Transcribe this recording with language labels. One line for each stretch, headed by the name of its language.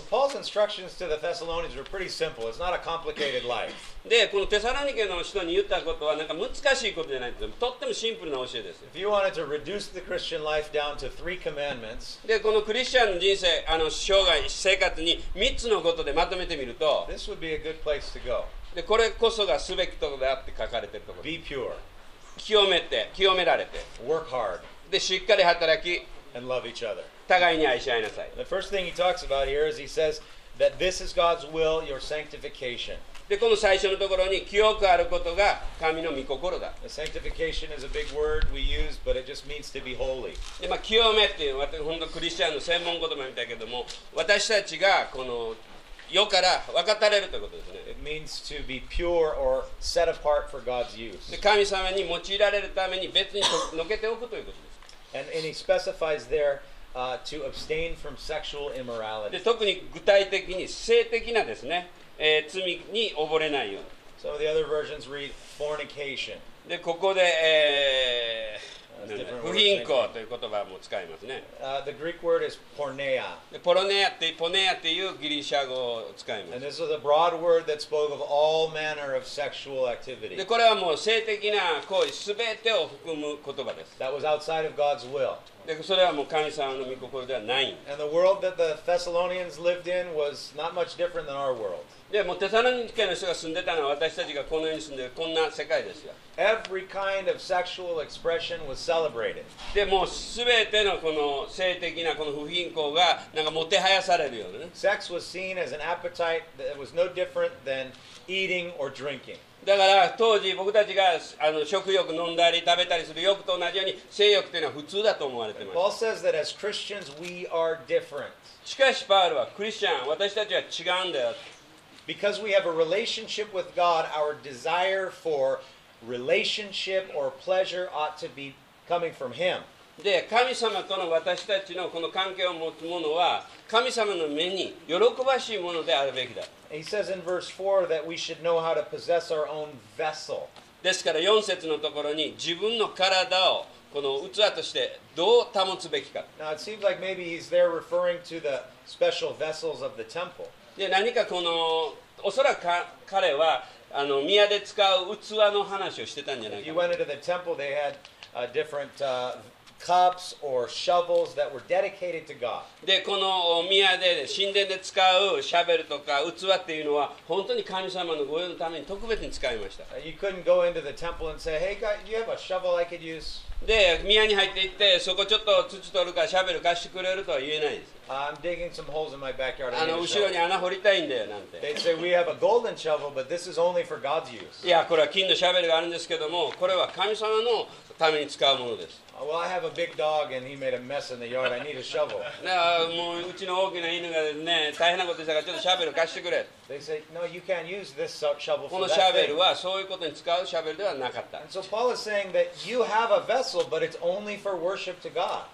English: So Paul's instructions to the Thessalonians were pretty simple. It's not a complicated life.
Japanese: で、このテサロニケの人に言ったことはなんか難しいことじゃないんですよ。とってもシンプルな教えです。
English: If you wanted to reduce the Christian life down to three commandments,
Japanese: で、このクリスチャンの人生、あの生涯、生活に3つのことでまとめてみると、
English: This would be a good place to go.
Japanese: で、これこそがすべきところであって書かれているところ。
English: Be pure.
Japanese: 清めて、清められて。
English: Work hard.
Japanese: で、しっかり働き。
English: And love each other.
Japanese: 互いに愛し合いなさい。
English: The first thing he talks about here is he says that this is God's will, your sanctification.
Japanese: で、この最初のところに、清くあることが神の御心だ。
English: The sanctification is a big word we use, but it just means to be holy.
Japanese: で、まあ、清めっていうのは、本当クリスチャンの専門言葉みたいけども、私たちがこの世から分かたれるということですね。
English: It means to be pure or set apart for God's use.
Japanese: 神様に用いられるために別にのけておくということです。
English: And he specifies there, to abstain from sexual immorality.
Japanese: で、特に具体的に性的なですね、罪に溺れないように。
English: Some of the other versions read fornication.
Japanese: で、ここで、不貧困という言葉も使いますね。
English: The Greek word is porneia.
Japanese: ポロネアっていうギリシャ語を使います。
English: And this is a broad word that spoke of all manner of sexual activity.
Japanese: で、これはもう性的な行為すべてを含む言葉です。
English: That was outside of God's will.
Japanese: で、それはもう神様の御心ではない。
English: And the world that the Thessalonians lived in was not much different than our world.
Japanese: でもテサロニケの人が住んでたのは私たちがこの世に住んでるこんな世界ですよ。
English: Every kind of sexual expression was celebrated.
Japanese: でもすべてのこの性的なこの不貧困がなんかもてはやされるよね。
English: Sex was seen as an appetite that was no different than eating or drinking.
Japanese: だから当時僕たちがあの食欲飲んだり食べたりする欲と同じように性欲というのは普通だと思われてます。
English: Paul says that as Christians we are different.
Japanese: しかしパウロはクリスチャン私たちは違うんだよ。
English: Because we have a relationship with God, our desire for relationship or pleasure ought to be coming from Him.
Japanese: で、神様との私たちのこの関係を持つものは、神様の目に喜ばしいものであるべきだ。
English: He says in verse 4 that we should know how to possess our own vessel.
Japanese: ですから4節のところに自分の体をこの器としてどう保つべきか。
English: Now it seems like maybe he's there referring to the special vessels of the temple.
Japanese: で何かこのおそらく彼はあの宮で使う器の話をしてたんじゃないかな。
English: If you went into the temple, they had different cups or shovels that were dedicated to God.
Japanese: で、この宮で、神殿で使うシャベルとか器っていうのは、本当に神様の御用のために特別に使いました。
English: You couldn't go into the temple and say, hey, God, you have a shovel I could use?
Japanese: で、宮に入って行って、そこちょっと土取るかシャベル貸してくれるとは言えないです。
English: I'm digging some holes in my backyard.
Japanese: あの後ろに穴掘りたいんだよなんて。
English: They say we have a golden shovel, but this is only for God's use.
Japanese: いや、これは金のシャベルがあるんですけども、これは神様のために使うものです。
English: Well, I have a big dog and he made a mess in the yard. I need a shovel.
Japanese: もううちの大きな犬がですね、大変なことでしたから、ちょっとシャベル貸してくれ。
English: They say, no, you can't use this shovel for that thing.
Japanese: このシャベルはそういうことに使うシャベルではなかった。
English: And so Paul is saying that you have a vessel, but it's only for worship to God.